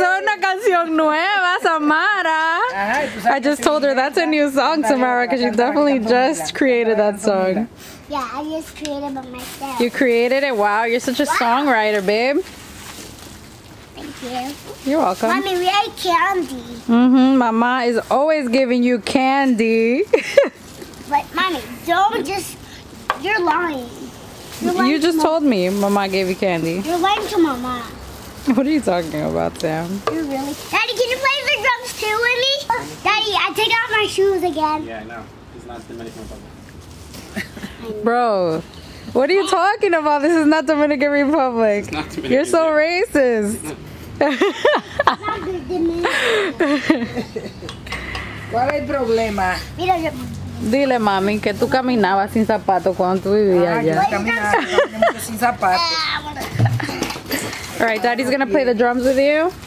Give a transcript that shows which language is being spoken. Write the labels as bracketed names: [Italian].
[Spanish] Eso es una canción nueva, Samara. [English] I just told her that's a new song, Samara, because you definitely just created that song. Yeah, I just created it myself. You created it? Wow, you're such a songwriter, babe. Thank you. You're welcome. Mommy, we ate candy. Mm-hmm. Mama is always giving you candy. But mommy, don't you're lying. You just told me mama gave you candy. You're lying to mama. What are you talking about, Sam? You're really. Daddy, can you play the drums too with me? Daddy, I take off my shoes again. Yeah, I know. It's not Dominican Republic. Bro, what are you talking about? This is not Dominican Republic. It's not Dominican. You're so racist. [Spanish] ¿Cuál es el problema? Dile, mami, que tú caminabas sin zapatos cuando tú vivías allá. Yo caminaba sin zapatos. [English] All right, Daddy's gonna play the drums with you.